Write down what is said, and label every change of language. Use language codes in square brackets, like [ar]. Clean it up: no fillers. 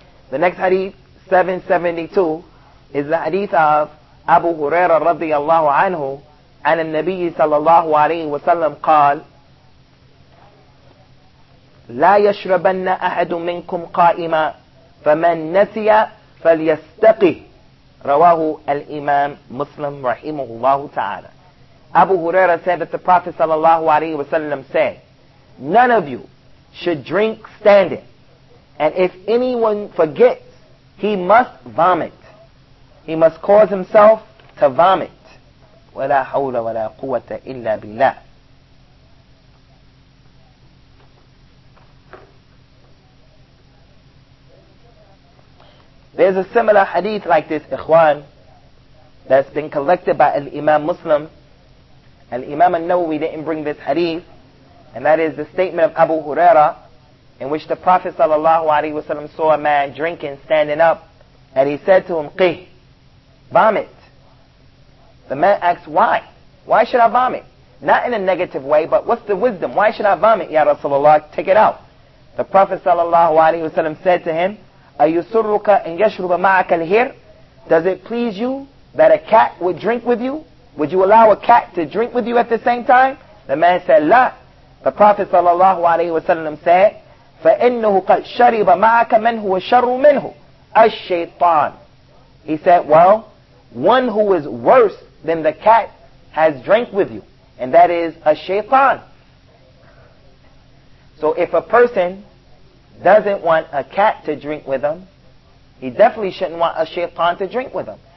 [en] The next hadith, 772, is the hadith of Abu Huraira radiallahu anhu, and al-Nabi sallallahu alayhi wa sallam qal, [ar] لا يشربن أحد منكم قائما فمن نسي فليستقي رواه الإمام مسلم رحمه الله تعالى. [en] Abu Huraira said that the Prophet sallallahu alaihi wasallam said, none of you should drink standing, and if anyone forgets, he must vomit. He must cause himself to vomit. [ar] ولا حول ولا قوة إلا بالله. [en] There's a similar hadith like this, Ikhwan, that's been collected by Al-Imam Muslim. Al-Imam An-Nawawi didn't bring this hadith, and that is the statement of Abu Huraira, in which the Prophet sallallahu alaihi wasallam saw a man drinking, standing up, and he said to him, "Qih, vomit." The man asked, why? Why should I vomit? Not in a negative way, but what's the wisdom? Why should I vomit, Ya Rasulullah? Take it out. The Prophet sallallahu alaihi wasallam said to him, [ar] أَيُسُرُّكَ أَنْ يَشْرُبَ مَعَكَ الْهِرْ. [en] Does it please you that a cat would drink with you? Would you allow a cat to drink with you at the same time? The man said, لا. The Prophet ﷺ said, [ar] فإنه قد شرب معك من هو شر منه الشيطان. [en] He said, well, one who is worse than the cat has drank with you, and that is a shaitan. So if a person doesn't want a cat to drink with him, he definitely shouldn't want a shaitan to drink with him.